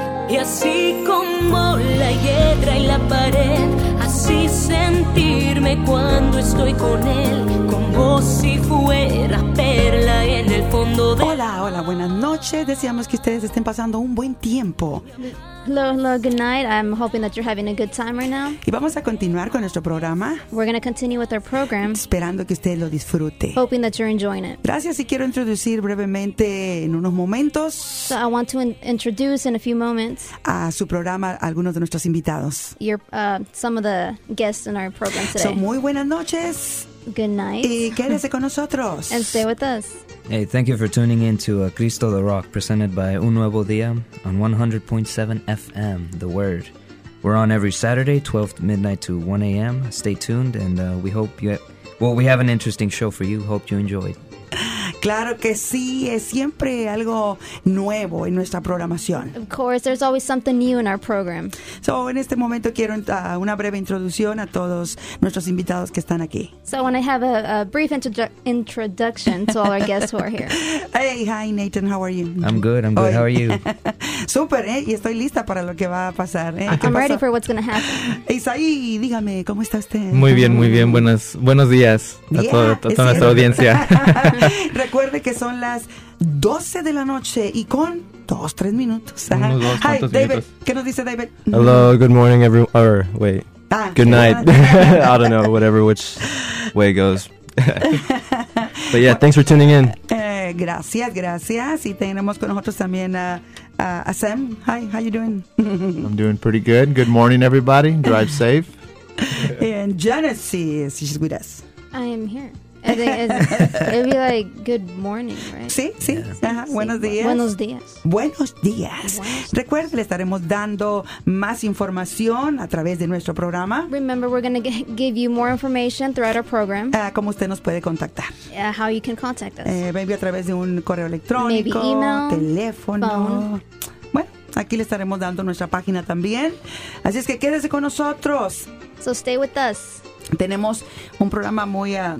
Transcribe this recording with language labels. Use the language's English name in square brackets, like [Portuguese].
[Spanish] Y así como la hiedra y la pared, así sentirme cuando estoy con él, como si fuera perla en el fondo de... Hola, hola, buenas noches. Deseamos que ustedes estén pasando un buen tiempo. [English] Hello, hello, good night. I'm hoping that you're having a good time right now. [Spanish] Y vamos a continuar con nuestro programa. [English] We're going to continue with our program. [Spanish] Esperando que usted lo disfrute. [English] Hoping that you're enjoying it. [Spanish] Gracias, y quiero introducir brevemente en unos momentos. [English] So I want to introduce in a few moments. [Spanish] A su programa, a algunos de nuestros invitados. [English] Some of the guests in our program today. [Spanish] So, muy buenas noches. [English] Good night. [Spanish] Y quédese con nosotros. [English] And stay with us. Hey, thank you for tuning in to Cristo the Rock, presented by Un Nuevo Día on 100.7 FM, The Word. We're on every Saturday, 12 midnight to 1 a.m. Stay tuned, and we hope you... we have an interesting show for you. Hope you enjoyed. [Spanish] Claro que sí, es siempre algo nuevo en nuestra programación. [English] Of course, there's always something new in our program. [Spanish] So, en este momento quiero una breve introducción a todos nuestros invitados que están aquí. [English] So, I want to have a brief introduction to all our guests who are here. Hey, hi Nathan, how are you? I'm good, how are you? [Spanish] Súper, ¿eh? Y estoy lista para lo que va a pasar. [English] I'm ready for what's going to happen. [Spanish] Isaí, dígame, ¿cómo está usted? Muy bien, muy bien, buenos días a toda nuestra audiencia. Recuerde que son las 12 de la noche y con 2-3 minutos. Ajá. [English] Hi, [Spanish] David. ¿Qué nos dice David? [English] Hello, good morning, everyone. Or, wait. Good night. I don't know, whatever, which way goes. But yeah, thanks for tuning in. [Spanish] Gracias, gracias. Y tenemos con nosotros también a Sam. [English] Hi, how you doing? I'm doing pretty good. Good morning, everybody. Drive safe. And Genesis, she's with us. I am here. It'd be like, good morning, right? [Spanish] Sí, sí. [English] Yeah. [Spanish] Sí. Buenos días. Buenos días. Buenos días. Recuerde, le estaremos dando más información a través de nuestro programa. [English] Remember, we're going to give you more information throughout our program. [Spanish] ¿Cómo usted nos puede contactar? [English] How you can contact us. Maybe [Spanish] a través de un correo electrónico. [English] Maybe email. [Spanish] Teléfono. [English] Phone. [Spanish] Bueno, aquí le estaremos dando nuestra página también. Así es que quédese con nosotros. [English] So stay with us. [Spanish] Tenemos un programa muy...